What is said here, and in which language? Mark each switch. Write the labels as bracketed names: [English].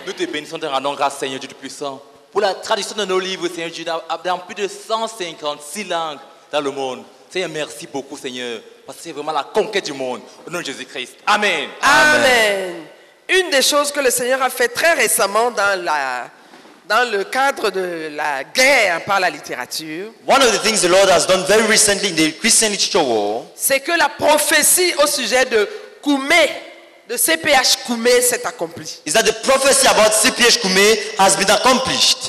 [French] Nous te bénissons, te rendons grâce, Seigneur Dieu Tout-Puissant, pour la traduction de nos livres, Seigneur Dieu, dans plus de 156 langues dans le monde. Seigneur, merci beaucoup, Seigneur. C'est vraiment la conquête du monde. Au nom de Jésus-Christ. Amen. Amen. Une des choses que le Seigneur a fait très récemment dans le cadre de la guerre par la littérature. [English] One of the things the Lord has done very recently in the Christian literature war. [French] C'est que la prophétie au sujet de Koume, de CPH Koume, s'est accomplie. [English] Is that the prophecy about CPH Koume has been accomplished?